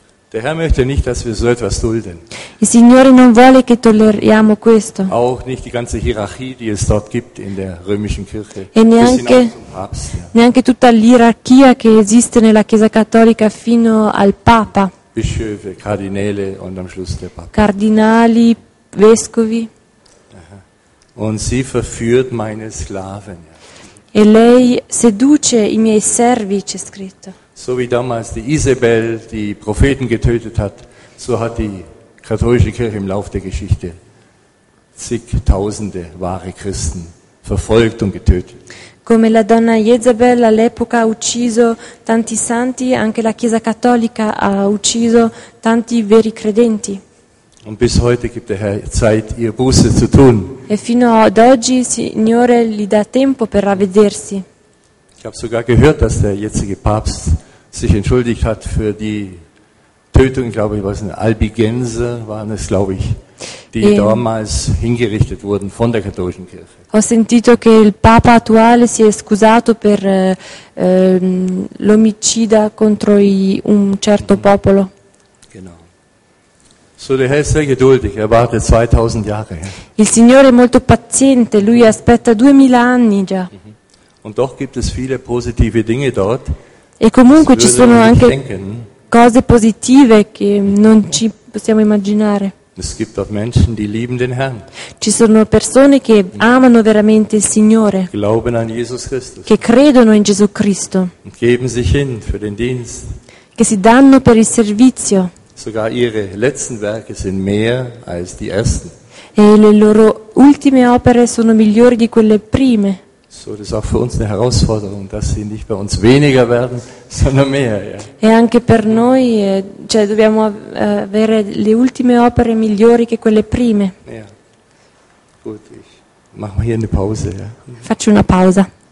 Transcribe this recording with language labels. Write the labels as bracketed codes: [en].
[de] Der Herr möchte nicht, dass wir so etwas dulden. [it] Il Signore non vuole che tolleriamo questo. [de] Auch nicht die ganze Hierarchie, die es dort gibt in der römischen Kirche. [it] E neanche tutta l'ierarchia che esiste nella Chiesa Cattolica fino al Papa. [de] Bischöfe, Kardinäle und am Schluss der Papa. [it] Cardinali, vescovi. [de] Und sie verführt meine Sklaven. [it] E lei seduce i miei servi, c'è scritto. [de] So wie damals die Isabel die Propheten getötet hat, so hat die katholische Kirche im Lauf der Geschichte zigtausende wahre Christen verfolgt und getötet. [it] Come la donna Jezebel all'epoca ha ucciso tanti santi, anche la Chiesa Cattolica ha ucciso tanti veri credenti. [de] Und bis heute gibt der Herr Zeit, ihr Buße zu tun. [it] E fino ad oggi il Signore gli dà tempo per ravvedersi. [de] Ich habe sogar gehört, dass der jetzige Papst sich entschuldigt hat für die Tötung, glaube ich, was in Albigenser waren es, glaube ich, die damals hingerichtet wurden von der katholischen Kirche. [it] Ho sentito che il Papa attuale si è scusato per l'omicida contro un certo popolo. [de] Genau. So, der Herr ist sehr geduldig, er wartet 2000 Jahre. [it] Il Signore è molto paziente, lui aspetta 2000 anni già. [de] Und doch gibt es viele positive Dinge dort. [it] E comunque ci sono anche cose positive che non ci possiamo immaginare. [de] Es gibt auch Menschen, die lieben den Herrn. [it] Ci sono persone che amano veramente il Signore. [de] Glauben an Jesus Christus. [it] Che credono in Gesù Cristo. [de] Und geben sich hin für den Dienst. [it] Che si danno per il servizio. [de] Sogar ihre letzten Werke sind mehr als die ersten. [it] E le loro ultime opere sono migliori di quelle prime. [de] So, das ist auch für uns eine Herausforderung, dass sie nicht bei uns weniger werden, sondern mehr. Ja. [it] E anche per noi, cioè dobbiamo avere le ultime opere migliori che quelle prime. [de] Ja. Gut, ich mache mal hier eine Pause. Ja. [it] Faccio una pausa.